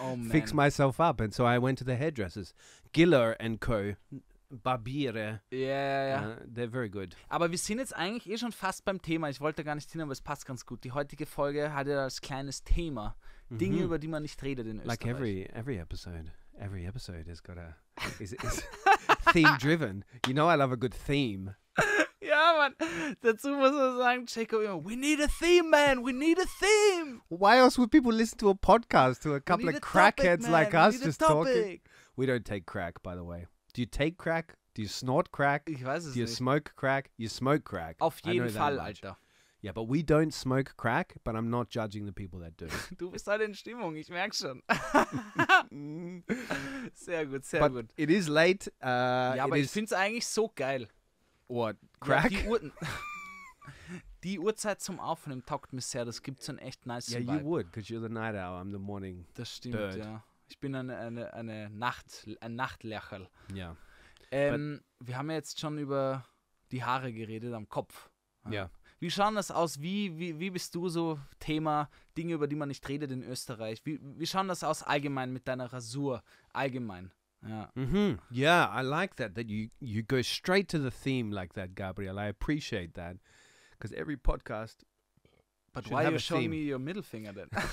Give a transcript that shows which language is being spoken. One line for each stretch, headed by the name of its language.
English: Fix myself up. And so I went to the hairdressers, Giller and Co., Barbiere. Yeah. They're very good.
German: Aber wir sind jetzt eigentlich eh schon fast beim Thema. Ich wollte gar nicht hin, aber es passt ganz gut. Die heutige Folge hat ja das kleines Thema. Dinge, über die man nicht redet in Österreich.
English: Like every episode. Every episode has got is theme driven. You know I love a good theme. Ja, Mann. Dazu muss man sagen, Jacob, we need a theme, man. We need a theme. Why else would people listen to a podcast to a couple of crackheads like us just talking? We don't take crack, by the way. Do you take crack? Do you snort crack?
German: Ich weiß es nicht.
English: Do you smoke crack? You smoke crack.
German: Auf jeden Fall, Alter.
English: Yeah, but we don't smoke crack, but I'm not judging the people that do.
German: Du bist halt in Stimmung, ich merk schon. Sehr gut.
English: It is late.
German: Ja, aber ich find's eigentlich so geil.
English: What? Crack?
German: Ja, die Uhrzeit zum Aufnehmen taugt mir sehr. Das gibt so ein echt nice Vibe.
English: Yeah, you would, because you're the night owl. I'm the morning bird.
German: Das stimmt,
English: bird.
German: Ja. Ich bin ein Nachtlerchel. Ja.
English: Yeah.
German: Wir haben ja jetzt schon über die Haare geredet am Kopf. Ja. Yeah. Wie schauen das aus? Wie bist du so Thema Dinge, über die man nicht redet in Österreich? Wie schauen das aus allgemein mit deiner Rasur? Allgemein. Ja. Mm-hmm.
English: Yeah, I like that you go straight to the theme like that, Gabriel. I appreciate that. Because every podcast. But why are you showing me your middle finger then?